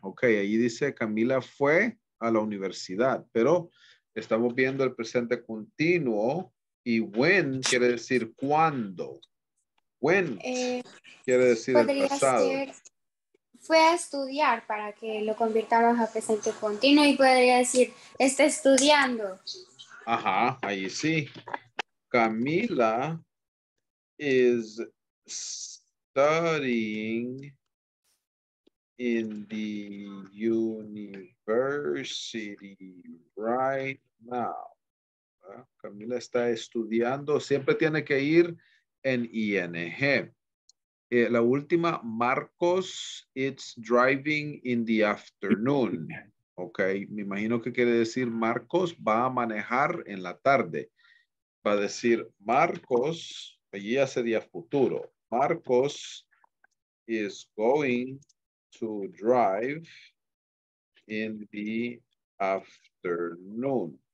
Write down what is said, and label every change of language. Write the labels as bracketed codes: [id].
[es] Okay, ahí dice Camila fue a la universidad, pero estamos viendo el presente continuo y when quiere decir cuándo. When quiere decir el pasado. Fue a estudiar para que lo convirtamos a presente continuo y podría decir, está estudiando. Ajá, ahí sí. [en] Camila is studying in the university right now. [es] Camila está estudiando. Siempre tiene que ir en ING. La última, [en] Marcos, it's driving in the afternoon. [es] Ok, me imagino que quiere decir Marcos va a manejar en la tarde. Va a decir Marcos, allí ya sería futuro. [en] Marcos is going to drive in the afternoon.